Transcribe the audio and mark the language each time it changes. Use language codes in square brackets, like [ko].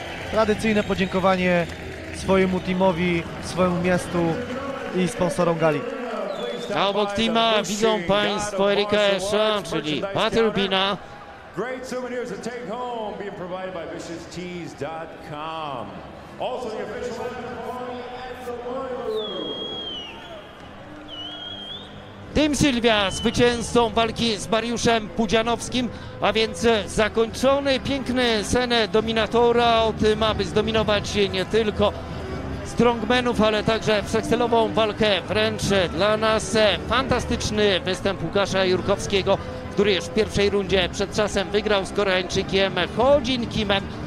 [pl] Tradycyjne podziękowanie swojemu teamowi, swojemu miastu i sponsorom gali. A obok teama widzą Państwo Erika Esza, czyli Battle Bina. [en] Great souvenirs to take home, being provided by ViciousTees.com. Also the official one at the [pl] Team Sylwia, zwycięzcą walki z Mariuszem Pudzianowskim, a więc zakończony piękny sen dominatora o tym, aby zdominować nie tylko strongmanów, ale także wszechstylową walkę. Wręcz dla nas fantastyczny występ Łukasza Jurkowskiego, który już w pierwszej rundzie przed czasem wygrał z Koreańczykiem Ho-Jin Kimem.